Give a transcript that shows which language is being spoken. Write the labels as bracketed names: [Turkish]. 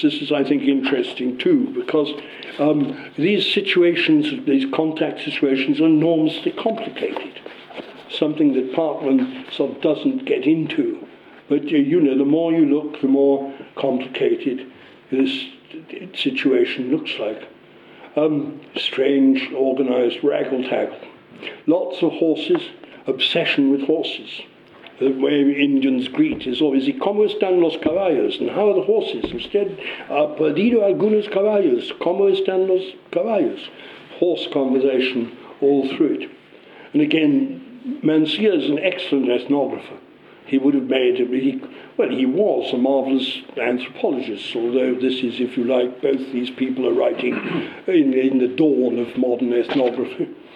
[English] This is, I think, interesting too, because these situations, these contact situations are enormously complicated. Something that Parkman sort of doesn't get into But you know, the more you look, the more complicated this situation looks like. Strange, organized raggle-taggle. Lots of horses, obsession with horses. The way Indians greet is always, [Spanish] ¿Cómo están los caballos? [English] And how are the horses? Instead, [Spanish] ha perdido algunos caballos. ¿Cómo están los caballos? [English] Horse conversation all through it. And again, Mancilla is an excellent ethnographer. He would have made, he was a marvellous anthropologist, although this is, if you like, both these people are writing in the dawn of modern ethnography.